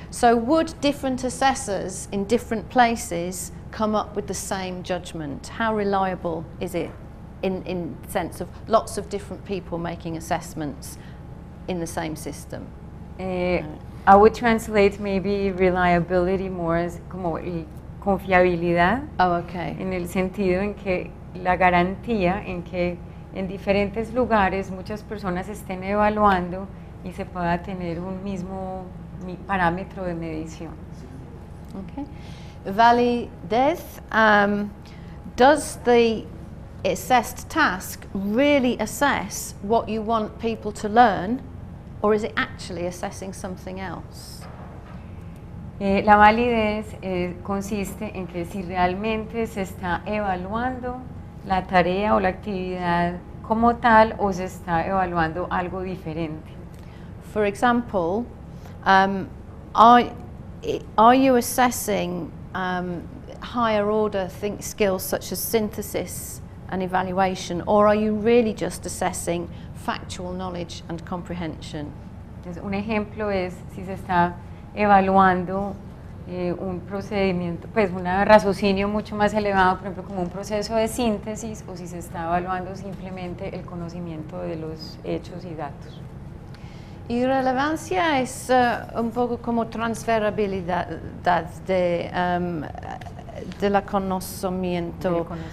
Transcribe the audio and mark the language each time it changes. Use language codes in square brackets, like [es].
[en] So, would different assessors in different places come up with the same judgment? How reliable is it? In sense of lots of different people making assessments in the same system. I would translate maybe reliability more as [es] como confiabilidad. [en] Oh, okay. [es] En el sentido en que la garantía en que en diferentes lugares muchas personas estén evaluando y se pueda tener un mismo parámetro de medición. Sí. Okay. [en] Valley Death, does the assessed task really assess what you want people to learn, or is it actually assessing something else? [es] La validez consiste en que si realmente se está evaluando la tarea o la actividad como tal o se está evaluando algo diferente. [en] For example, are you assessing higher order think skills such as synthesis and evaluation, or are you really just assessing factual knowledge and comprehension? [es] Entonces, un ejemplo es si se está evaluando un procedimiento, pues un raciocinio mucho más elevado, por ejemplo, como un proceso de síntesis, o si se está evaluando simplemente el conocimiento de los hechos y datos. Y relevancia es un poco como transferibilidad de la conocimiento.